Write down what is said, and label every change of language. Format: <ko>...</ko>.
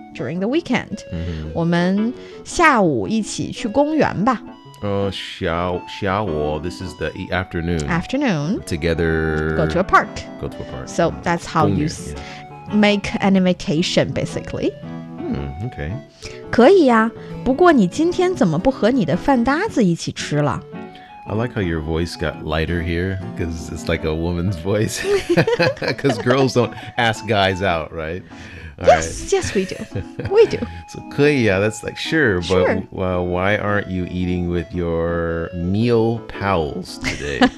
<en>During the weekend,</en> <zh>我们下午一起去公园吧。</zh> <en>下午, this is the afternoon. Afternoon. Together. Go to a park. So that's how you make an invitation, basically. Okay.</en> <zh>可以啊，不过你今天怎么不和你的饭搭子一起吃了？</zh> <en>I like how your voice got lighter here, because it's like a woman's voice. Because girls don't ask guys out, right? Yes, we do. We do. So,</en> <zh>可以啊,</zh> <en>that's like, sure, but why aren't you eating with your meal pals today?</en>